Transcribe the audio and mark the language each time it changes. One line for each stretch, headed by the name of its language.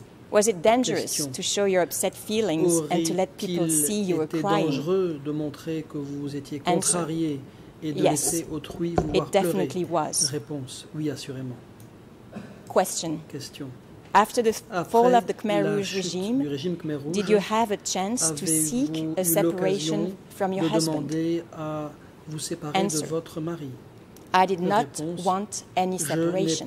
English: Was it dangerous to show your upset feelings and to let people see you were crying?
French: Dangereux de montrer que vous étiez contrarié et de laisser autrui vous voir pleurer.
English: It definitely was.
French: Réponse: oui, assurément. Question.
English: After the fall of the Khmer Rouge regime, did you have a chance to seek a separation from your husband? Answer:
French: de votre mari.
English: I did not want any separation.